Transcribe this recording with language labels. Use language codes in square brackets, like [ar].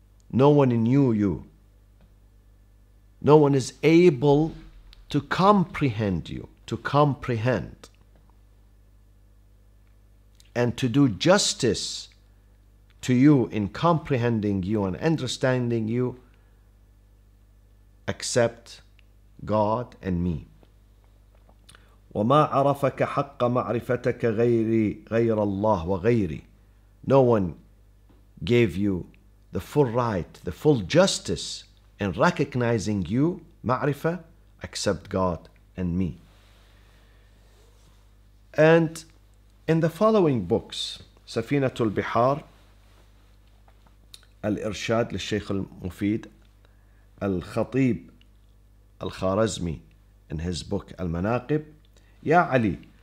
[en] No one knew you. No one is able to comprehend you, to comprehend and to do justice to you in comprehending you and understanding you, except God and me. [ar] وما عرفك حق معرفتك غيري غير الله وغيري. [en] No one gave you the full right, the full justice in recognizing you, معرفة, except God and me. And in the following books, [ar] سفينة البحار, الإرشاد للشيخ المفيد, الخطيب الخارزمي [en] in his book [ar] المناقب, يا علي